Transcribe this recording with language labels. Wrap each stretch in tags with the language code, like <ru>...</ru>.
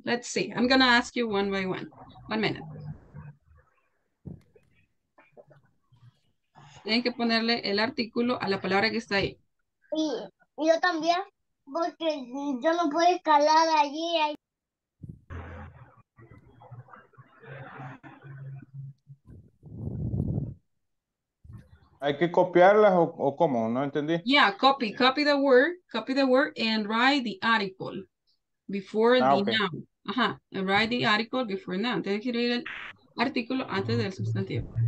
<en>Let's see, I'm gonna ask you one by one. 1 minute.</en> <es>Tienen que ponerle el artículo a la palabra que está ahí. Sí, yo también, porque yo no puedo escalar allí. ¿Hay que copiarlas o cómo? No entendí.</es> <en>Yeah, copy the word and write the article before noun. Ajá, and write the article before noun.</en> <es>Tienes que escribir el artículo antes del sustantivo.</es>